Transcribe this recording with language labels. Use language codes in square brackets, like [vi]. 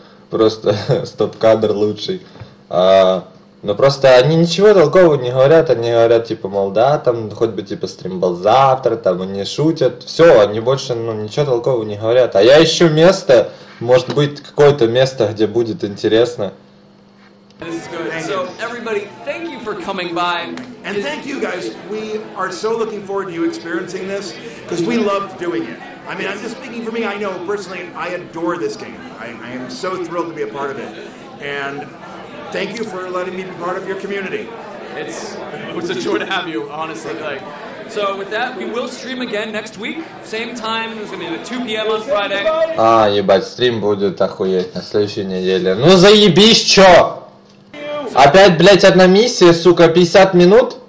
[ru] Просто стоп-кадр лучший. Ну просто они ничего толкового не говорят, они говорят, типа, мол, да, там, хоть бы, типа, стрим был завтра, там, они шутят, все, они больше, ну, ничего толкового не говорят. А я ищу место, может быть, какое-то место, где будет интересно. [en] This is good. So, everybody, thank you for coming by. And thank you, guys. We are so looking forward to you experiencing this, because we loved doing it. I mean, I'm just speaking for me. I know, personally, I adore this game. I am so thrilled to be a part of it. And thank you for letting me be part of your community. It's a joy to have you, honestly. Like, so, with that, we will stream again next week. Same time. It's going to be at 2 p.m. on Friday. [ru] Ah, ебать, стрим будет охуеть на следующей неделе. Ну, заебись, чё! Опять, блядь, одна миссия, сука, 50 минут?